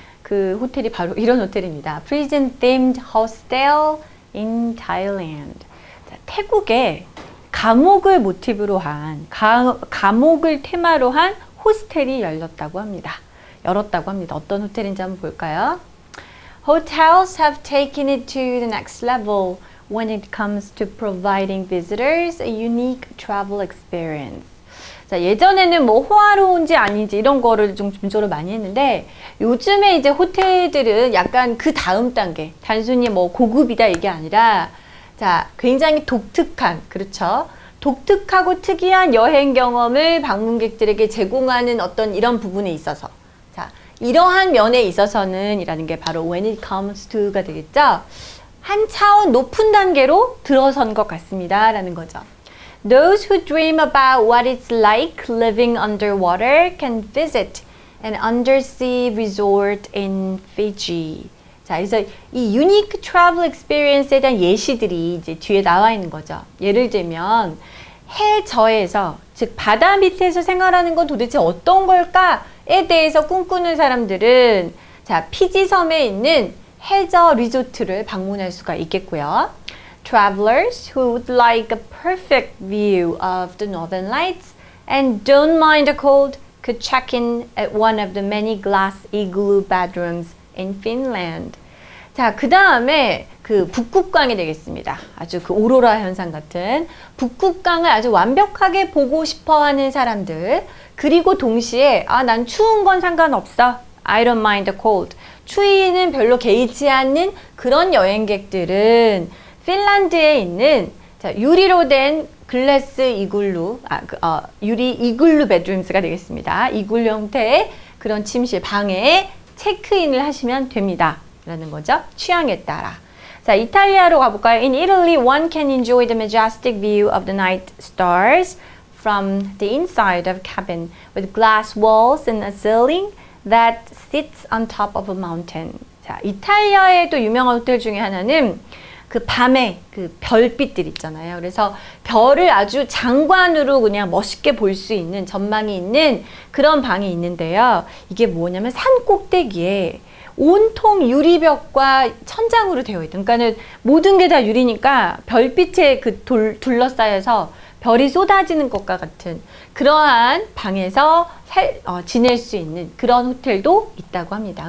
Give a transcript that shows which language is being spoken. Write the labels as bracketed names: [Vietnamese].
[Korean] 그 호텔이 바로 이런 호텔입니다. [English] Prison Themed Hostel in Thailand. [Korean] 자, 태국에 감옥을 모티브로 한, 감옥을 테마로 한 호스텔이 열렸다고 합니다. 열었다고 합니다. 어떤 호텔인지 한번 볼까요? [English] Hotels have taken it to the next level when it comes to providing visitors a unique travel experience. [Korean] 자, 예전에는 뭐 호화로운지 아닌지 이런 거를 좀 중조를 많이 했는데 요즘에 이제 호텔들은 약간 그 다음 단계, 단순히 뭐 고급이다 이게 아니라 자, 굉장히 독특한, 그렇죠? 독특하고 특이한 여행 경험을 방문객들에게 제공하는 어떤 이런 부분에 있어서 자, 이러한 면에 있어서는 이라는 게 바로 [English] when it comes to [Korean] 가 되겠죠? 한 차원 높은 단계로 들어선 것 같습니다 라는 거죠. [English] Those who dream about what it's like living underwater can visit an undersea resort in Fiji. [Korean] 자, 그래서 이 [English] unique travel experience [Korean] 에 대한 예시들이 이제 뒤에 나와 있는 거죠. 예를 들면 해저에서, 즉 바다 밑에서 생활하는 건 도대체 어떤 걸까에 대해서 꿈꾸는 사람들은 자, 피지섬에 있는 해저 리조트를 방문할 수가 있겠고요. [English] Travelers who would like a perfect view of the northern lights and don't mind the cold could check in at one of the many glass igloo bedrooms in Finland. [Korean] 자, 그 다음에 그 북극광이 되겠습니다. 아주 그 오로라 현상 같은 북극광을 아주 완벽하게 보고 싶어 하는 사람들, 그리고 동시에 아, 난 추운 건 상관없어. [English] I don't mind the cold. [Korean] 추위는 별로 개의치 않는 그런 여행객들은 핀란드에 있는 자, 유리로 된 글래스 이글루, 유리 이글루 베드룸스가 되겠습니다. 이글루 형태의 그런 침실 방에 체크인을 하시면 됩니다. 라는 거죠. 취향에 따라. 자, 이탈리아로 가볼까요? [English] In Italy, one can enjoy the majestic view of the night stars from the inside of a cabin with glass walls and a ceiling that sits on top of a mountain. [Korean] 자, 이탈리아의 또 유명한 호텔 중에 하나는 그 밤에 그 별빛들 있잖아요. 그래서 별을 아주 장관으로 그냥 멋있게 볼 수 있는 전망이 있는 그런 방이 있는데요. 이게 뭐냐면 산 꼭대기에 온통 유리벽과 천장으로 되어 있던, 그러니까는 모든 게 다 유리니까 별빛에 그 둘러싸여서 별이 쏟아지는 것과 같은 그러한 방에서 지낼 수 있는 그런 호텔도 있다고 합니다.